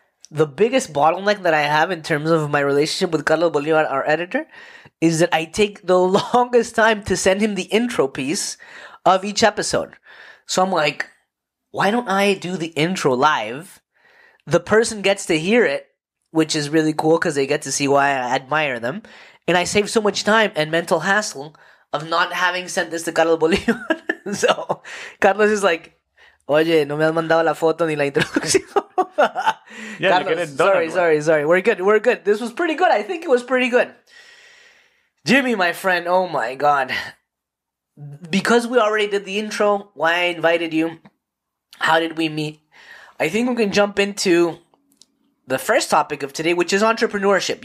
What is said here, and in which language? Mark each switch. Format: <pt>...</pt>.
<en>The biggest bottleneck that I have in terms of my relationship with Carlos Bolivar, our editor, is that I take the longest time to send him the intro piece of each episode. So I'm like, why don't I do the intro live? The person gets to hear it, which is really cool because they get to see why I admire them. And I save so much time and mental hassle of not having sent this to Carlos Bolivar. So Carlos is like,</en> <es>oye, no me has mandado la foto ni la introducción.</es> <en>Yeah, Carlos, you get it done. Sorry. We're good. This was pretty good. I think it was pretty good. Jimmy, my friend, oh my God. Because we already did the intro, why I invited you, how did we meet? I think we can jump into the first topic of today, which is entrepreneurship.</en>